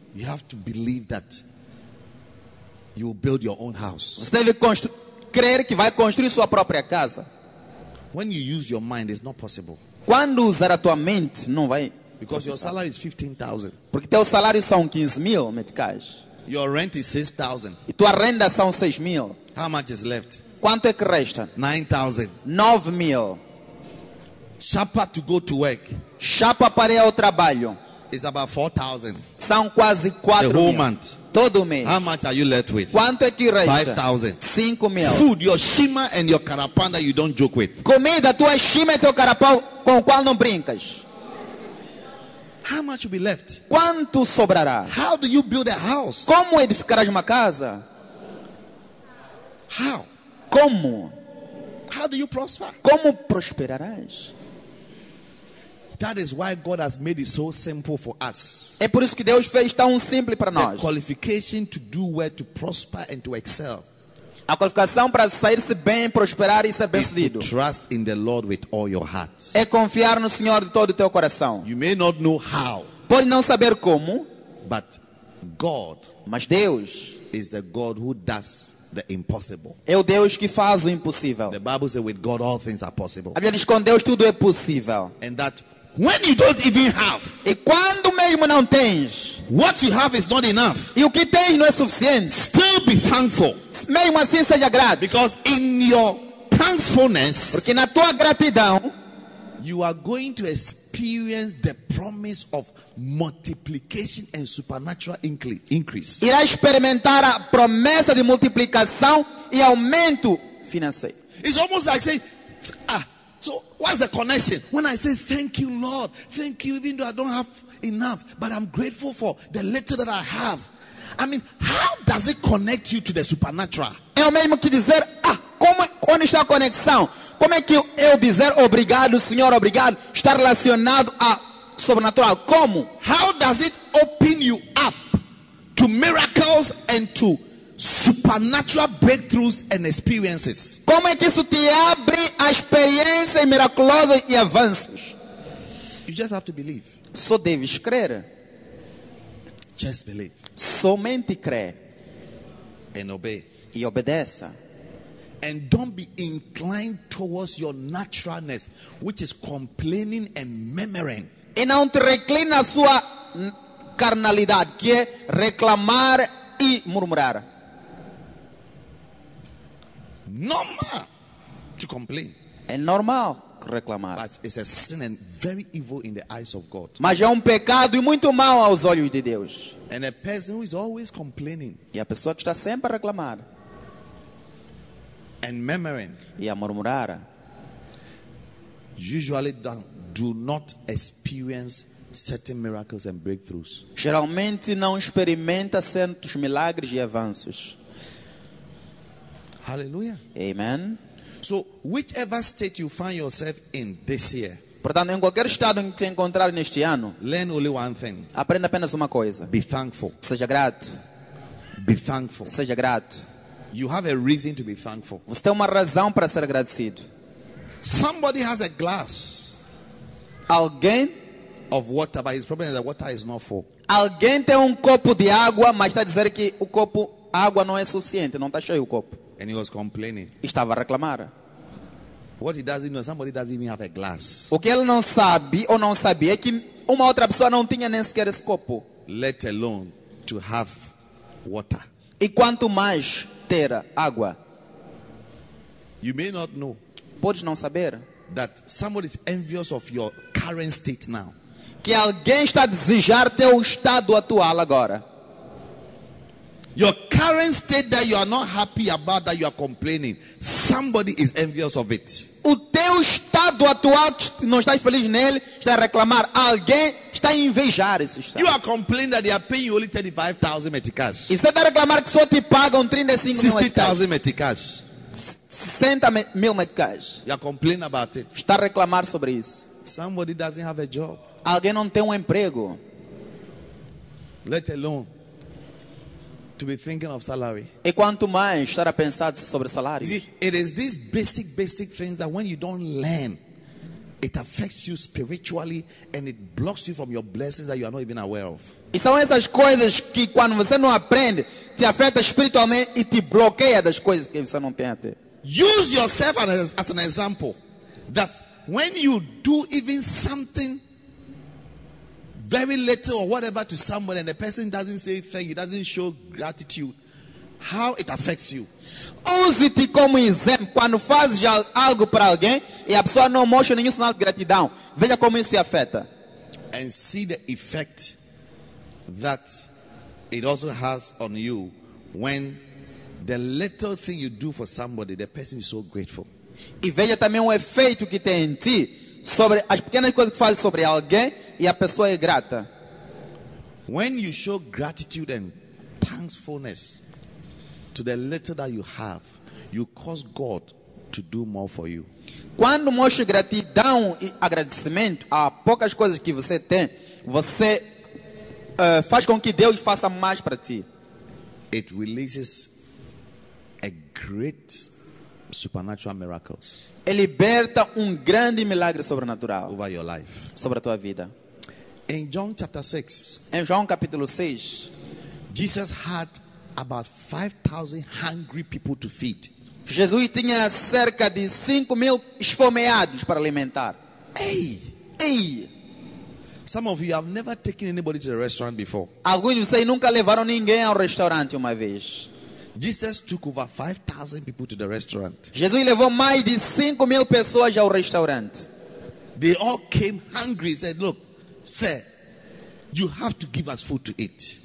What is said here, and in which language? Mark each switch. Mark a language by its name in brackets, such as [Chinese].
[English] You have to believe that you will build your own house. [Portuguese] Você deve crer que vai construir sua própria casa. [English] When you use your mind, it's not possible. [Portuguese] Quando usar a tua mente, não vai. [English] Because your salary is 15,000. [Portuguese] Porque teu salário são 15,000 meticais. [English] Your rent is 6,000. [Portuguese] E tua renda são 6,000. [English] How much is left? [Portuguese] Quanto é que resta? [English] 9,000. [Portuguese] 9,000. [English] Chapa to go to work. [Portuguese] Chapa para ir ao trabalho. [English] It's about 4,000. [Portuguese] São quase 4,000. [English] The whole month. [Portuguese] Todo mês. [English] How much are you left with? [Portuguese] Quanto é que resta? [English] 5,000. [Portuguese] 5,000. [English] Food, your shima and your carapanda you don't joke with. [Portuguese] Comida, tua shima e teu carapau com qual não brincas. [English] How much will be left? [Portuguese] Quanto sobrará? [English] How do you build a house? [Portuguese] Como edificarás uma casa? [English] How? [Portuguese] Como? [English] How do you prosper? [Portuguese] Como prosperarás? [English] That is why God has made it so simple for us. [Portuguese] É por isso que Deus fez tão simples para nós. [English] The qualification to do well, to prosper and to excel. [Portuguese] A qualificação para sair-se bem, prosperar e ser bem-sucedido. [English] Trust in the Lord with all your heart. [Portuguese] É confiar no Senhor de todo o teu coração. [English] You may not know how. [Portuguese] Pode não saber como. [English] But God. [Portuguese] Mas Deus. [English] Is the God who does the impossible. [Portuguese] É o Deus que faz o impossível. [English] The Bible says with God all things are possible. [Portuguese] A Bíblia diz com Deus tudo é possível. [English] And that when you don't even have. [Portuguese] E quando mesmo não tens. [English] What you have is not enough. [Portuguese] E o que tens não é suficiente. [English] Still be thankful. [Portuguese] Mesmo assim seja grato. [English] Because in your thankfulness. [Portuguese] Porque na tua gratidão. [English] You are going to experience the promise of multiplication and supernatural increase. [Portuguese] Irá experimentar a promessa de multiplicação e aumento financeiro. [English] It's almost like saying, so what's the connection? When I say thank you, Lord, thank you, even though I don't have enough, but I'm grateful for the little that I have. I mean, how does it connect you to the supernatural? [Portuguese] É o mesmo que dizer, como está a conexão? Como é que eu dizer obrigado, Senhor, obrigado, está relacionado a sobrenatural? Como? [English] How does it open you up to miracles and to supernatural breakthroughs and experiences. [Portuguese] Como é que isso te abre a experiência miraculosa e avanços? [English] You just have to believe. [Portuguese] Só deves crer. [English] Just believe. [Portuguese] Somente crê. [English] And obey. [Portuguese] E obedeça. [English] And don't be inclined towards your naturalness, which is complaining and murmuring. [Portuguese] E não te reclina a sua carnalidade, que é reclamar e murmurar. [English] Normal to complain. [Portuguese] É normal reclamar. [English] But it's a sin and very evil in the eyes of God. [Portuguese] Mas é pecado e muito mal aos olhos de Deus. [English] And a person who is always complaining. [Portuguese] E a pessoa que está sempre a reclamar. [English] And murmuring. [Portuguese] E a murmurar. [English] Usually do not experience certain miracles and breakthroughs. [Portuguese] Geralmente não experimenta certos milagres e avanços. [English] Hallelujah. Amen. So, whichever state you find yourself in this year. [Portuguese] Portanto, em qualquer estado em que te encontrar neste ano. [English] Learn only one thing. [Portuguese] Aprenda apenas uma coisa. [English] Be thankful. [Portuguese] Seja grato. [English] Be thankful. [Portuguese] Seja grato. [English] You have a reason to be thankful. [Portuguese] Você tem uma razão para ser agradecido. [English] Somebody has a glass. [Portuguese] Alguém [English] of water, but his problem is that water is not full. [Portuguese] Alguém tem copo de água, mas está a dizer que o copo água não é suficiente, não está cheio o copo. [English] And he was complaining. [Portuguese] Estava a reclamar. [English] What he doesn't know, somebody doesn't even have a glass. [Portuguese] O que ele não sabe ou não sabia é que uma outra pessoa não tinha nem sequer esse copo. [English] Let alone to have water. [Portuguese] E quanto mais ter água. [English] You may not know. [Portuguese] Podes não saber. [English] That somebody is envious of your current state now. [Portuguese] Que alguém está a desejar teu estado atual agora. [English] Your current state that you are not happy about, that you are complaining, somebody is envious of it. [Portuguese] O teu estado atual, que não estás feliz nele, está a reclamar. Alguém está a invejar esse estado. [English] You are complaining that they are paying you only 35,000 meticais. [Portuguese] E você está a reclamar que só te pagam 35 mil meticais. [English] 60,000 meticais. [Portuguese] 60 mil meticais. [English] You are complaining about it. [Portuguese] Está a reclamar sobre isso. [English] Somebody doesn't have a job. [Portuguese] Alguém não tem emprego. [English] Let alone to be thinking of salary. [Portuguese] E quanto mais estar a pensar sobre salários. [English] It is these basic things that when you don't learn, it affects you spiritually and it blocks you from your blessings that you are not even aware of. [Portuguese] E são essas coisas que quando você não aprende, te afeta espiritualmente e te bloqueia das coisas que você não tem até. [English] Use yourself as an example that when you do even something very little or whatever to somebody and the person doesn't say thank you, doesn't show gratitude, how it affects you. [Portuguese] Use-te como exemplo. Quando fazes algo para alguém e a pessoa não mostra nenhum sinal de gratidão, veja como isso te afeta. [English] And see the effect that it also has on you when the little thing you do for somebody, the person is so grateful. [Portuguese] E veja também o efeito que tem em ti sobre as pequenas coisas que fazes sobre alguém e a pessoa é grata. [English] When you show gratitude and thankfulness to the little that you have, you cause God to do more for you. [Portuguese] Quando mostra gratidão e agradecimento a poucas coisas que você tem, você faz com que Deus faça mais para ti. [English] It releases a great supernatural miracles. [Portuguese] E liberta grande milagre sobrenatural [English] over your life, [Portuguese] sobre a tua vida. [English] In John chapter 6, [Portuguese] em João capítulo 6, [English] Jesus had about 5,000 hungry people to feed. [Portuguese] Jesus tinha cerca de 5,000 esfomeados para alimentar. [English] Hey! Some of you have never taken anybody to the restaurant before. [Portuguese] Alguns de vocês nunca levaram ninguém ao restaurante uma vez. [English] Jesus took over 5,000 people to the restaurant. [Portuguese] Jesus levou mais de 5,000 pessoas ao restaurante. [English] They all came hungry. Said, "Look, sir, you have to give us food to eat."